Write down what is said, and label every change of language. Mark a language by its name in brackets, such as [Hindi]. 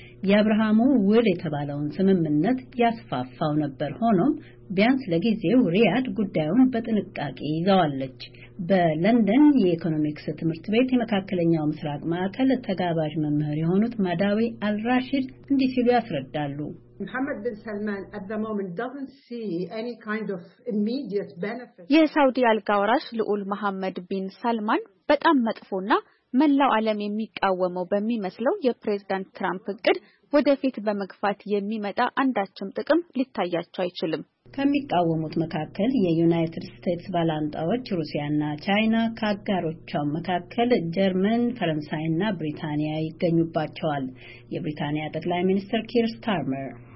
[Amharic] የአብርሃሙ ውል የተባለውን ስምምነት ያስፋፋው ነበር። ሆኖም ቢያንስ ለጊዜው ሪያድ ጉዳዩን በጥንቃቄ ይዛዋለች። በለንደን የኢኮኖሚክስ ትምህርት ቤት የመካከለኛው ምስራቅ ማዕከል ተጋባዥ መምህር የሆኑት ማዳዊ አልራሺድ እንዲህ ሲሉ ያስረዳሉ። [English] Mohammed bin Salman at the moment doesn't see any kind of immediate benefit. [Amharic] የሳውዲ አልጋውራሽ ልዑል መሐመድ ቢን ሰልማን በጣም መጥፎና መላው ዓለም የሚቃወመው በሚመስለው የፕሬዝዳንት ትራምፕ እቅድ ወደፊት በመግፋት የሚመጣ አንዳችም ጥቅም ሊታያቸው አይችልም። ከሚቃወሙት መካከል የዩናይትድ ስቴትስ ባላንጣዎች ሩሲያና ቻይና ከአጋሮቿ መካከል ጀርመን፣ ፈረንሳይና ብሪታንያ ይገኙባቸዋል። የብሪታንያ ጠቅላይ ሚኒስትር ኪር ስታርመር